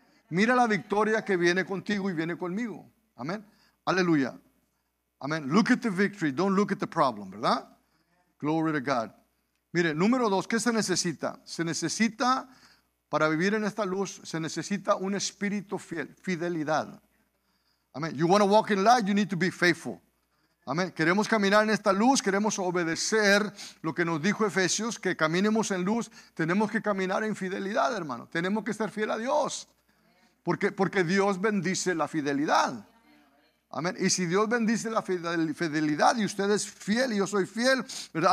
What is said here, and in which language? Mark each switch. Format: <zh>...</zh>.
<es>Mira la victoria que viene contigo y viene conmigo. Amén. Aleluya. Amén.</es> <en>Look at the victory, don't look at the problem,</en> <es>¿verdad?</es> <en>Glory to God.</en> <es>Mire, número dos, ¿qué se necesita? Se necesita, para vivir en esta luz, se necesita un espíritu fiel, fidelidad. Amén.</es> <en>You want to walk in light, you need to be faithful.</en> <es>Amén. Queremos caminar en esta luz, queremos obedecer lo que nos dijo Efesios, que caminemos en luz. Tenemos que caminar en fidelidad, hermano. Tenemos que ser fiel a Dios. Porque Dios bendice la fidelidad. Amén. Y si Dios bendice la fidelidad y usted es fiel y yo soy fiel, ¿verdad?</es>